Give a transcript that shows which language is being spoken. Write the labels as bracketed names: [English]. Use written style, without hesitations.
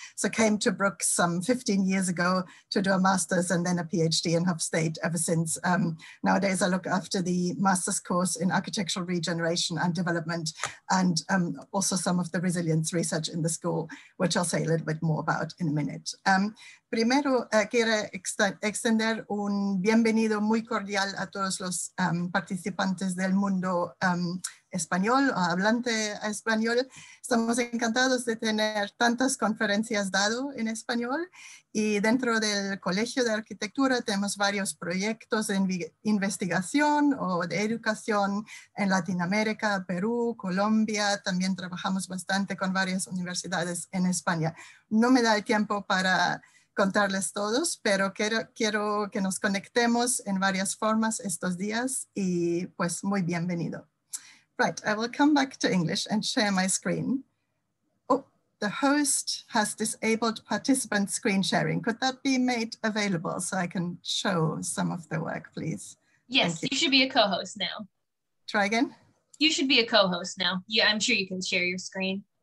[English] So came to Brooks some 15 years ago to do a master's and then a PhD, and have stayed ever since. Nowadays I look after the master's course in architectural regeneration and development, and also some of the resilience research in the school, which I'll say a little bit more about in a minute. [Spanish] Primero, quiero extender un bienvenido muy cordial a todos los participantes del mundo español, hablante español. Estamos encantados de tener tantas conferencias dado en español, y dentro del Colegio de Arquitectura tenemos varios proyectos de investigación o de educación en Latinoamérica, Perú, Colombia. También trabajamos bastante con varias universidades en España. No me da el tiempo para contarles todos, pero quiero que nos conectemos en varias formas estos días, y pues muy bienvenido. [English] Right, I will come back to English and share my screen. Oh, the host has disabled participant screen sharing. Could that be made available so I can show some of the work, please? Yes, you should be a co-host now. Try again? You should be a co-host now. Yeah, I'm sure you can share your screen.